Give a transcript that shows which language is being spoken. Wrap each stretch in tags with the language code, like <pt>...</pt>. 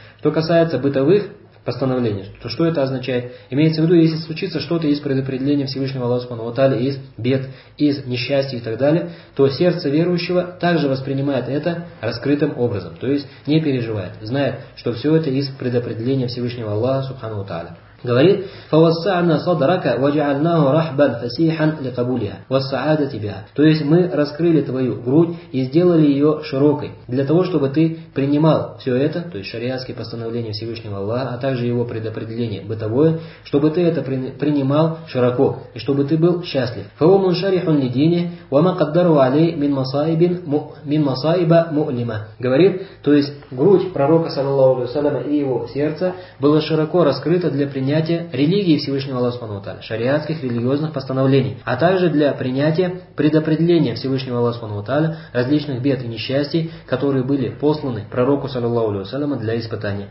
<ru>Что касается бытовых постановлений, то что это означает? Имеется в виду, если случится что-то из предопределения Всевышнего Аллаха субхана ва тааля, из бед, из несчастья и так далее, то сердце верующего также воспринимает это раскрытым образом, то есть не переживает, знает, что все это из предопределения Всевышнего Аллаха субхана ва тааля. Говорит,</ru> <ar>فوسعنا صدرك وجعلناه رحبا فسيحا لقبولها والسعادة بها.</ar> <ru>То есть мы раскрыли твою грудь и сделали ее широкой для того, чтобы ты принимал все это, то есть шариатские постановления Всевышнего Аллаха, а также его предопределение бытовое, чтобы ты это принимал широко и чтобы ты был счастлив.</ru> <ar>فهو منشرح لدينه وما قدره عليه من مصائب مؤلمة.</ar> <ru>Говорит, то есть грудь пророка саллаллаху алейхи ва саллям и его сердце было широко раскрыто для принятия религии Всевышнего Аллаха субхана ва тааля, шариатских религиозных постановлений, а также для принятия предопределения Всевышнего Аллаха субхана ва тааля различных бед и несчастий, которые были посланы пророку саллаллаху алейхи ва саллям для испытания.</ru>